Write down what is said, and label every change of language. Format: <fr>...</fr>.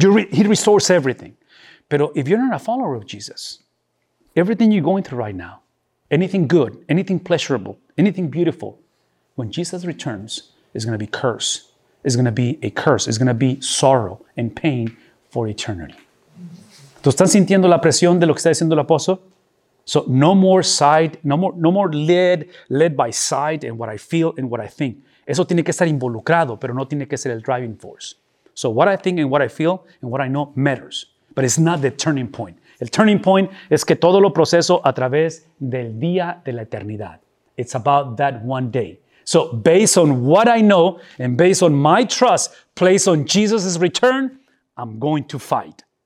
<en>He restores everything. Pero if you're not a follower of Jesus, everything you're going through right now, anything good, anything pleasurable, anything beautiful, when Jesus returns, it's going to be curse. It's going to be a curse. It's going to be sorrow and pain for eternity.</en> <es>¿Tú estás sintiendo la presión de lo que está diciendo el apóstol?</es> <en>So no more sight, no more led by sight and what I feel and what I think.</en> <es>Eso tiene que estar involucrado, pero no tiene que ser el driving force.</es> <en>So what I think and what I feel and what I know matters. But it's not the turning point.</en> <es>El turning point es que todo lo proceso a través del día de la eternidad.</es> <en>It's about that one day. So based on what I know and based on my trust placed on Jesus' return, I'm going to fight.</en>